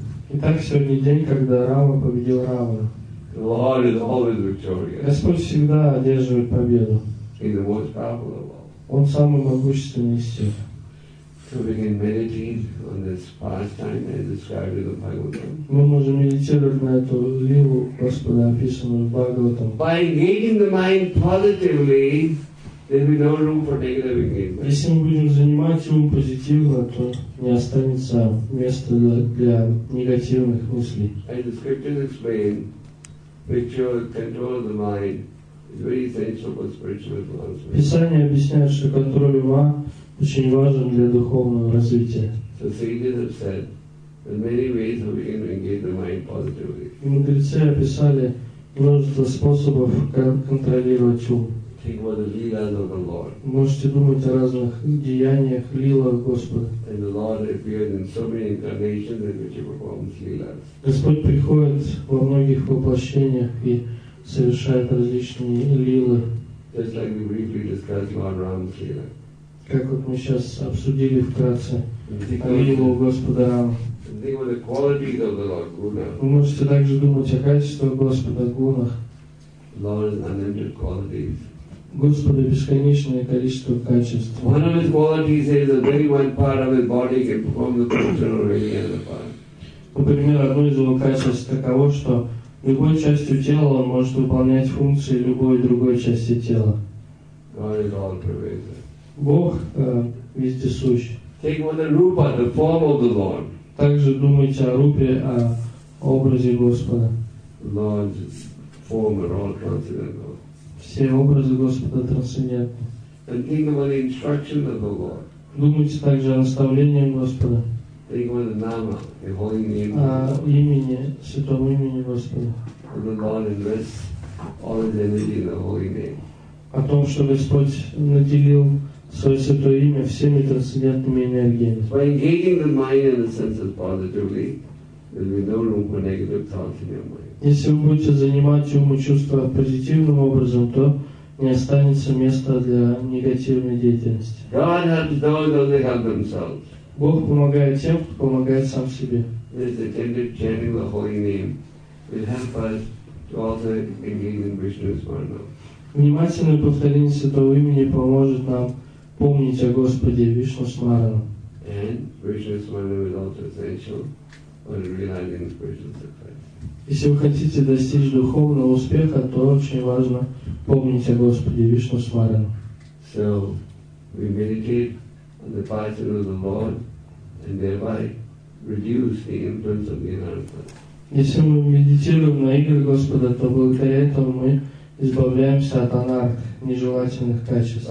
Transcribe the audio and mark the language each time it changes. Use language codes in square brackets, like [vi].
[ru] Итак, сегодня день, когда Рама победил Равана. [en] The Lord is always victorious. [ru] Господь всегда одерживает победу. [en] He's the most powerful of all. [ru] Он самый могущественный из всех. [en] So we can meditate on this pastime as described in the Bhagavatam. [ru] Мы можем медитировать на эту лилу Господа, описанную в Бхагаватам. [en] By engaging the mind positively, There'll be no room for negative engagement. [ru] Если мы будем занимать ум позитивно, то не останется места для негативных мыслей. [en] As the scriptures explain, ritual control of the mind is very essential for spiritual advancement. [ru] Писание объясняет, что контроль ума очень важен для духовного развития. [en] So sages have said that many ways of being able to engage the mind positively. [ru] И мудрецы описали множество способов контролировать ум. [en] Think about the lilas of the Lord. [ru] Можете думать о разных деяниях, лилах Господа. [en] And the Lord appeared in so many incarnations in which he performs lilas. [ru] Господь приходит во многих воплощениях и совершает различные лилы. [en] Just like we briefly discussed about Ram's lila. [ru] Как вот мы сейчас обсудили вкратце о лилу Господа Рама. [en] Think about the qualities of the Lord Guna. [ru] Вы можете также думать о качествах Господа Гуна. [en] Lord has unlimited qualities. [ru] Господа бесконечное количество качеств. [en] One of his qualities is a very one part of his body can perform the function of any other part. [ru] Например, одно из его качеств таково, что любой частью тела он может выполнять функции любой другой части тела. [en] God is all pervasive. [ru] Бог вездесущ. [en] Think about the rupa, the form of the Lord. [ru] Также думайте о рупе, о образе Господа. [en] Lord's form are all transcendental. [ru] Все образы Господа трансцендентны. [en] And think about the instruction of the Lord. [ru] Думайте также о наставлении Господа. [en] Think about the nama, the holy name. [ru] О имени, святом имени Господа. [en] And the Lord invests all his energy in the holy name. [ru] О том, что Господь наделил свое святое имя всеми трансцендентными энергиями. [en] By engaging the mind in the senses positively, there will be no room for negative thoughts in your mind. [ru] Если вы будете занимать ум и чувства позитивным образом, то не останется места для негативной деятельности. [en] God helps those who they help themselves. [ru] Бог помогает тем, кто помогает сам себе. [en] This attentive chanting the holy name will help us to also engage in Vishnu's varna. [ru] Внимательное повторение святого имени поможет нам помнить о Господе Вишну Смарану. [en] And Vishnu Smarana is also essential for realizing spiritual success. [ru] Если вы хотите достичь духовного успеха, то очень важно помнить о Господе Вишну Смарану. [en] So we meditate on the passion of the Lord and thereby reduce the influence of the Anartha. [ru] Если мы медитируем на игры Господа, то благодаря этому мы избавляемся от анарх, нежелательных качеств.